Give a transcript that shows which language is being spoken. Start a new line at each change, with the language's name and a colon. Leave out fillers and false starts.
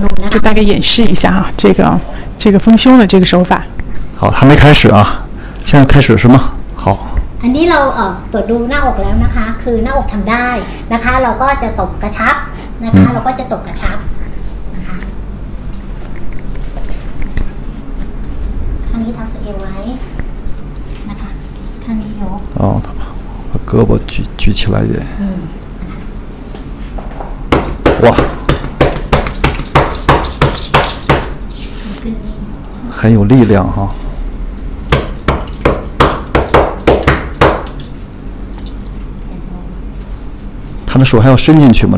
Chinese: 就大概演示一下这个丰胸的这个手法。好，还没开始现在开始是吗？好，
Thai: อันนี้เราตรวจดูหน้าอกแล้วนะคะคือหน้าอกทำได้นะคะเราก็จะตบกระชับนะคะเราก็จะตบกระชับนะคะท่านี้ทำสเอวไว้นะคะท่านี้ยก
Chinese: อ๋อเอา胳膊举起来一点哇很有力量哈他的手还要伸进去吗？